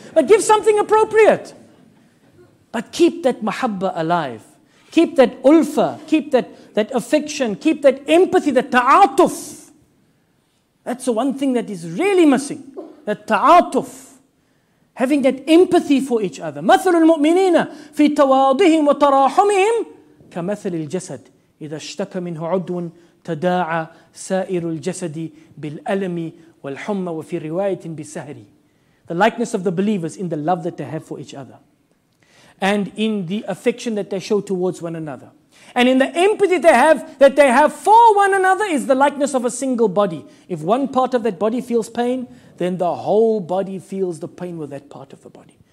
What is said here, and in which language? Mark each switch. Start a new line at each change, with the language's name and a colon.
English: But give something appropriate. But keep that mahabba alive. Keep that ulfa. Keep that affection. Keep that empathy, that ta'atuf. That's the one thing that is really missing. The ta'atuf, having that empathy for each other.
Arabic: مثل المؤمنين في تواضعهم وتراحمهم كمثل الجسد إذا اشتكى منه عضو تداعى سائر الجسد بالألم والحمى وفي رواية بسهري.
English: The likeness of the believers in the love that they have for each other, and in the affection that they show towards one another, and in the empathy that they have for one another, is the likeness of a single body. If one part of that body feels pain, then the whole body feels the pain with that part of the body.